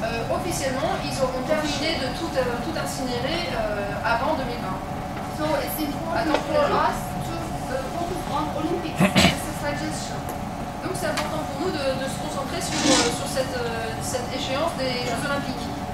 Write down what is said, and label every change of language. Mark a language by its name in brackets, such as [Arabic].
[French] Officiellement, ils auront terminé de tout incinérer avant 2020. [English] So it's important for us to focus on Olympics. It's a suggestion. [French] Donc c'est important pour nous de se concentrer sur cette échéance des Jeux Olympiques.